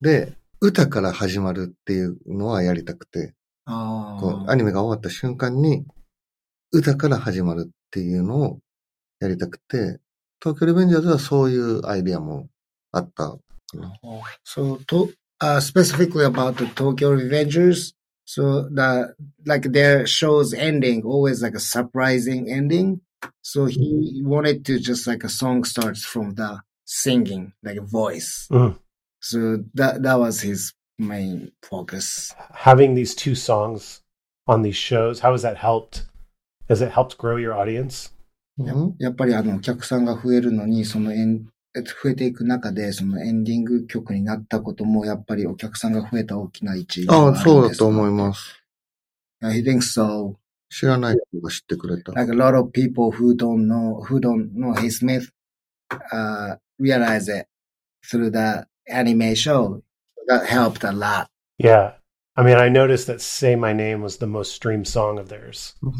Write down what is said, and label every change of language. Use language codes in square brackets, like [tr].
[ja] で、歌から始まるっていうのはやりたくて、こうアニメが終わった瞬間に歌から始まるっていうのをやりたくて、東京リベンジャーズはそういうアイディアもあったかな。 [en] そうと、specifically about the Tokyo Revengers. So the, like their show's ending, always like a surprising ending. So he wanted to just like a song starts from the singing, like a voice. So that was his main focus. Having these two songs on these shows, how has that helped? Has it helped grow your audience? [ja] やっぱりあのお客さんが増えるのにその増えていく中で、そのエンディング曲になったことも、やっぱりお客さんが増えた大きな一因です。ああ、そうだと思います。 [en] I think so. [ja] 知らない人が知ってくれた。 [en] Like a lot of people who don't know Hey Smith, realize it through the anime show. That helped a lot. Yeah. I mean, I noticed that Say My Name was the most streamed song of theirs.